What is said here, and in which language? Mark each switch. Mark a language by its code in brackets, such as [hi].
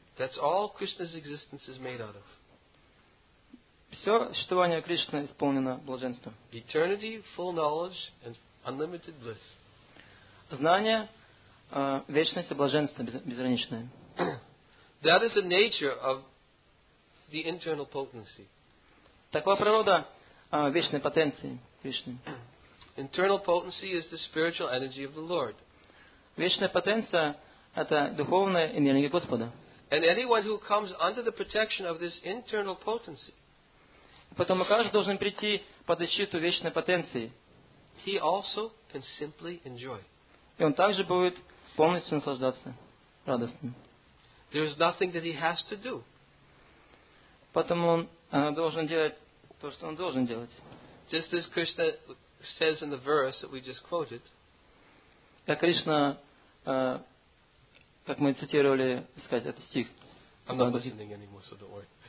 [en] That's all Krishna's existence is made out of. [ru] Все существование Кришны исполнено блаженством. [en] Eternity, full knowledge, and unlimited bliss. [ru] Знание, вечность и блаженство безграничное. [en] That is the nature of the internal potency. [ru] Такова природа вечной потенции Кришны. [en] Internal potency is the spiritual energy of the Lord. [ru] Вечная потенция – это духовная энергия Господа. [en] And anyone who comes under the protection of this internal potency, [ru] потому каждый должен прийти под защиту вечной потенции. [en] He also can simply enjoy. [ru] И он также будет полностью наслаждаться радостным. [en] There is nothing that he has to do. [ru] Потому он должен делать то, что он должен делать. [en] Just as Krishna says in the verse that we just quoted. [ru] Krishna, как мы цитировали, сказать этот стих. [en] I'm not listening anymore, so don't worry.